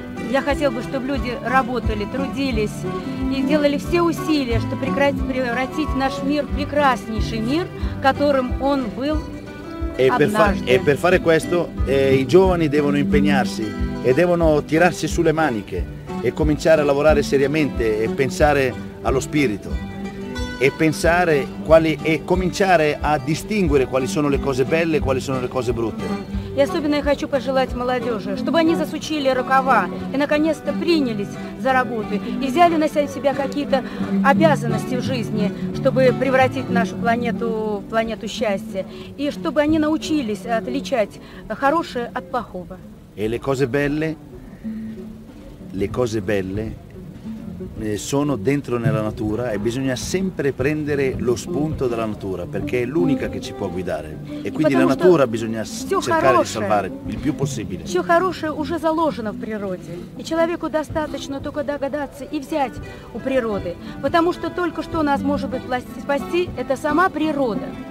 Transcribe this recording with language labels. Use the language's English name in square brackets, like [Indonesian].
[Russian] Я хотел бы, чтобы люди работали, трудились и делали все усилия, чтобы превратить наш мир в прекраснейший мир, которым он был однажды. [Italian] E per fare questo i giovani devono impegnarsi e devono tirarsi sulle maniche e cominciare a lavorare seriamente e pensare allo spirito e pensare quali e cominciare a distinguere quali sono le cose belle e quali sono le cose brutte. [Russian] И особенно я хочу пожелать молодежи, чтобы они засучили рукава и наконец-то принялись за работу и взяли на себя какие-то обязанности в жизни, чтобы превратить нашу планету в планету счастья и чтобы они научились отличать хорошее от плохого. [Italian] E le cose belle sono dentro nella natura e bisogna sempre prendere lo spunto dalla natura perché è l'unica che ci può guidare e quindi la natura bisogna cercare di salvare il più possibile. [Russian] Все хорошее уже заложено в природе и человеку достаточно только догадаться и взять у природы, потому что только что нас может быть спасти это сама природа.